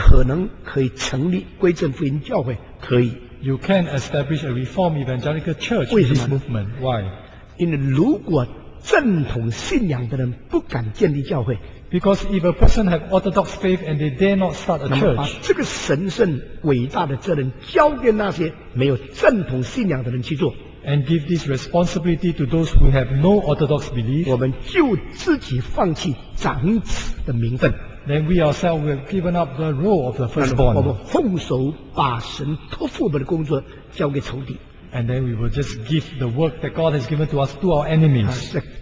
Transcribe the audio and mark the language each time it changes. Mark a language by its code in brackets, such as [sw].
[zh] 在这个运动中间有没有可能成立归正福音教会? 可以。 [en] You can establish a Reform Evangelical Church in this movement. Why? [zh] 因为如果正统信仰的人不敢建立教会, [en] because if a person has orthodox faith and they dare not start a church, [zh] 把这个神圣伟大的责任交给那些没有正统信仰的人去做, [en] and give this responsibility to those who have no orthodox belief, [zh] 我们就自己放弃长子的名分, [en] then we ourselves have given up the role of the firstborn. [zh] 我们奉手把神托付我们的工作交给仇敌, [en] and then we will just give the work that God has given to us to our enemies.